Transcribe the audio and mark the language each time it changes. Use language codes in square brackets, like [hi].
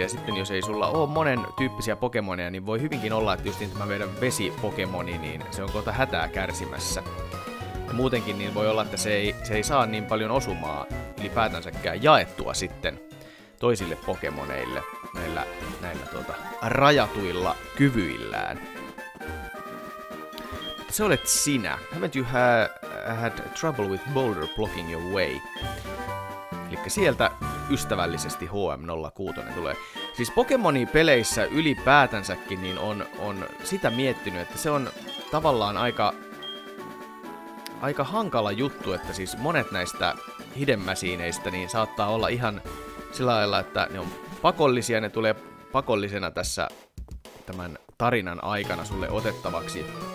[fi] Ja sitten jos ei sulla ole monen tyyppisiä pokemoneja, niin voi hyvinkin olla, että just niin tämä meidän vesipokemoni, niin se on kohta hätää kärsimässä. Ja muutenkin niin voi olla, että se ei saa niin paljon osumaa ylipäätänsäkään jaettua sitten toisille pokemoneille näillä rajatuilla kyvyillään. Se olet sinä. [en] Haven't you had trouble with boulder blocking your way? [fi] Elikkä sieltä ystävällisesti HM06 tulee. Siis Pokemoni-peleissä ylipäätänsäkin niin on sitä miettinyt, että se on tavallaan aika hankala juttu, että siis monet näistä hidemäsiineistä niin saattaa olla ihan sillä lailla, että ne on pakollisia, ne tulee pakollisena tässä tämän tarinan aikana sulle otettavaksi.